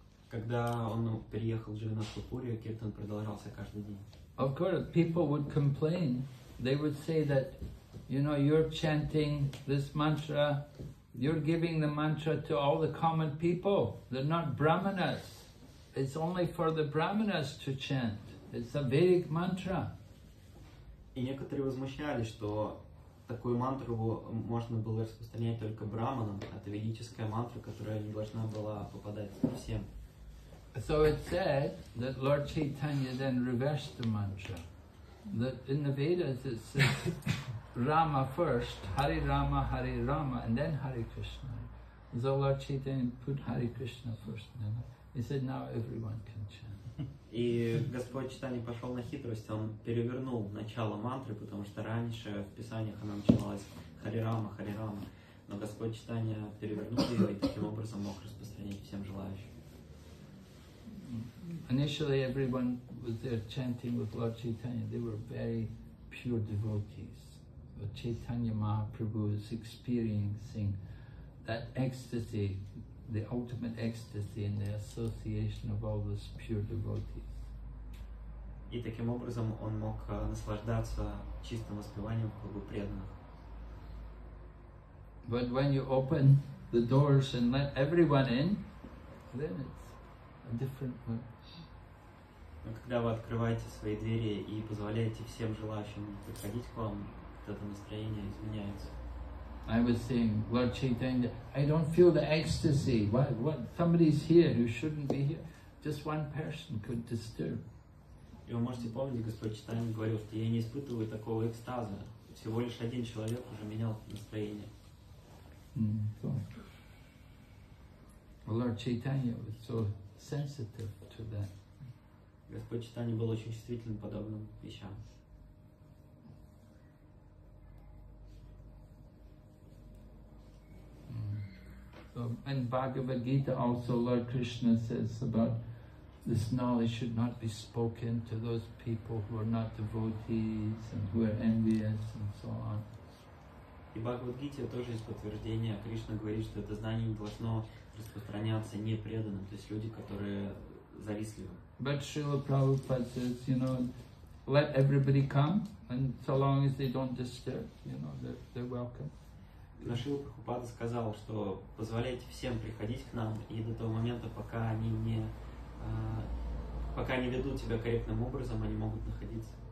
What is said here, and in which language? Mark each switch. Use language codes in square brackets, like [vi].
[ru] Когда он переехал в Джаганнатху Пури, киртан продолжался каждый день. [en] Of course, people would complain. They would say that, you know, you're chanting this mantra, you're giving the mantra to all the common people. They're not brahmanas. It's only for the brahmanas to chant. It's a Vedic mantra. [ru] И некоторые возмущались, что такую мантру можно было распространять только брахманам. Это ведическая мантра, которая не должна была попадать всем. [en] So it said that Lord Chaitanya then reversed the mantra. That in the Vedas it says Rama first, Hari Rama, Hari Rama, and then Hari Krishna. So Lord Chaitanya put Hari Krishna first. And he said, now everyone can chant. [ru] И Господь Чайтанья пошел на хитрость, он перевернул начало мантры, потому что раньше в писаниях она начиналась Хари Рама, Хари Рама. Но Господь Чайтанья перевернул ее и таким образом мог распространить всем желающим. [en] Initially, everyone was there chanting with Lord Chaitanya. They were very pure devotees. But Chaitanya Mahaprabhu is experiencing that ecstasy, the ultimate ecstasy in the association of all those pure devotees. [ru] И таким образом он мог наслаждаться чистым воспеванием кругу преданных. [en] But when you open the doors and let everyone in, then it's a different mood. [ru] Но когда вы открываете свои двери и позволяете всем желающим подходить к вам, это настроение изменяется. [en] I was saying, Lord Chaitanya, I don't feel the ecstasy. What? Somebody's here who shouldn't be here. Just one person could disturb. [ru] И вы можете помнить, Господь Чайтанья говорил, что я не испытываю такого экстаза. Всего лишь один человек уже менял настроение. Mm-hmm. [en] Lord Chaitanya was so sensitive to that. [ru] Господь Чайтанья был очень чувствительным подобным вещам. [en] So in Bhagavad Gita also Lord Krishna says about this knowledge should not be spoken to those people who are not devotees and who are envious and so on. [ru] И Бхагавад Гите тоже есть подтверждение. Кришна говорит, что это знание не должно распространяться непреданным, то есть люди, которые завистливы. [en] But Srila Prabhupada says, you know, let everybody come, and so long as they don't disturb, you know, they're welcome. [ru] Но Шрила Прабхупада сказал, что позволяйте всем приходить к нам, и до того момента, пока они ведут себя корректным образом, они могут находиться.